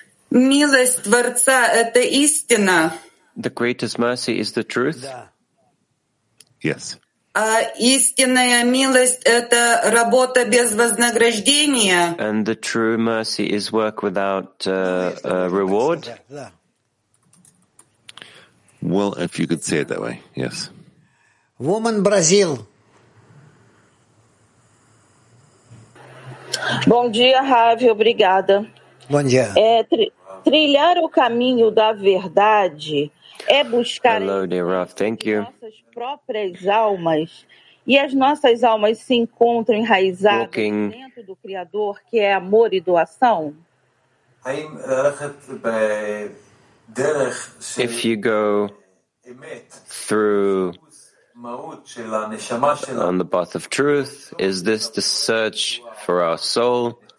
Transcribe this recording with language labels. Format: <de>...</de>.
<ru>Милость Творца – это истина.</ru> <en>The greatest mercy is the truth. Yes.</en> <ru>Истинная милость — это работа без вознаграждения.</ru> <en>And the true mercy is work without reward. Well, if you could say it that way, yes. Woman, Brazil.</en> <pt>Bom dia, Rávio, obrigada. Bom dia. Trilhar o caminho da verdade.</pt> <en>Hello, dear Ralph. Thank you. Walking if you go through on the path of truth, is this the search for our soul?</en>